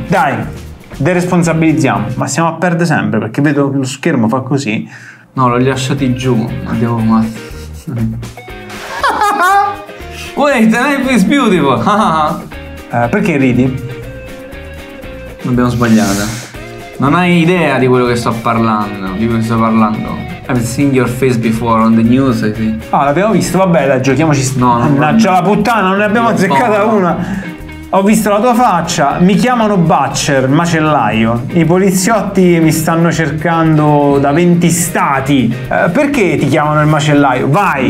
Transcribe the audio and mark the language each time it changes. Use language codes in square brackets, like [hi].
[it] Dai, deresponsabilizziamo. Ma siamo a perdere sempre, perché vedo lo schermo fa così. No, l'ho lasciati giù. Andiamo a... [en] Wait, life is beautiful. [it] Perché ridi? L'abbiamo sbagliata. Non hai idea di quello che sto parlando. Di cosa sto parlando. [en] I've seen your face before on the news, I think. [it] Ah, l'abbiamo visto, vabbè, dai, giochiamoci. No, la puttana, non ne abbiamo azzeccata una. Ho visto la tua faccia. Mi chiamano Butcher, macellaio. I poliziotti mi stanno cercando da 20 stati. Perché ti chiamano il macellaio? Vai.